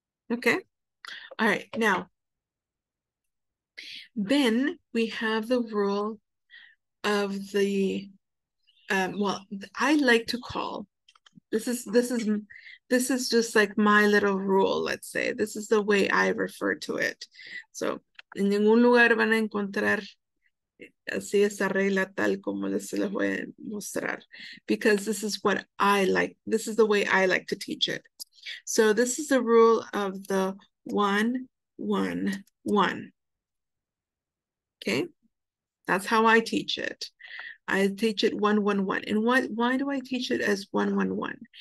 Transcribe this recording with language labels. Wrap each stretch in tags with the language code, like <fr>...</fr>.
<en>Okay. All right. Now, then we have the rule of the, I like to call, this is just like my little rule, let's say. This is the way I refer to it.</en> <es>So, en ningún lugar van a encontrar así esa regla tal como les voy a mostrar.</es> <en>Because this is what I like, this is the way I like to teach it. So, this is the rule of the 1-1-1. Okay, that's how I teach it. I teach it 1-1-1. And why do I teach it as 1-1-1?</en>